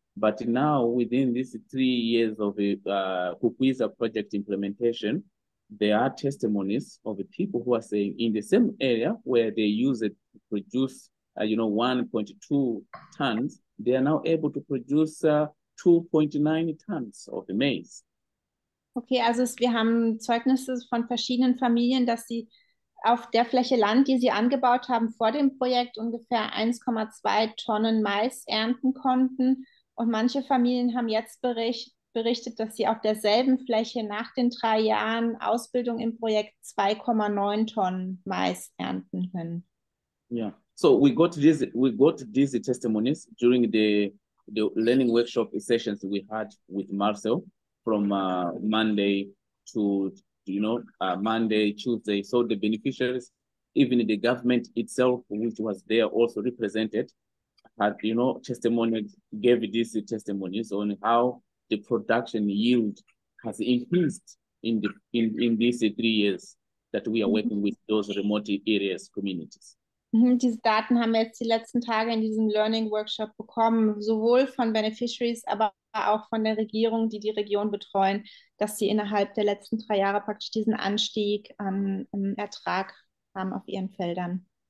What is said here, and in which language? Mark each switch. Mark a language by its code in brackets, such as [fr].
[en] But now, within these 3 years of the Kukwiza project implementation, there are testimonies of the people who are saying in the same area where they use it to produce, 1.2 tons, they are now able to produce 2.9 tons of the maize. [de] Okay, also wir haben Zeugnisse von verschiedenen Familien, dass sie auf der Fläche Land, die sie angebaut haben vor dem Projekt, ungefähr 1,2 Tonnen Mais ernten konnten. Und manche Familien haben jetzt berichtet, dass sie auf derselben Fläche nach den 3 Jahren Ausbildung im Projekt 2,9 Tonnen Mais ernten können. [en] Ja, so we got these testimonies during the learning workshop sessions we had with Marcel. From Monday to, Monday, Tuesday. So the beneficiaries, even the government itself, which was there also represented, had, testimonies, gave these testimonies on how the production yield has increased in these 3 years that we are working with those remote areas communities. [de] Diese Daten haben wir jetzt die letzten Tage in diesem Learning Workshop bekommen, sowohl von Beneficiaries, aber auch von der Regierung, die Region betreuen, dass sie innerhalb der letzten 3 Jahre praktisch diesen Anstieg an Ertrag haben auf ihren Feldern.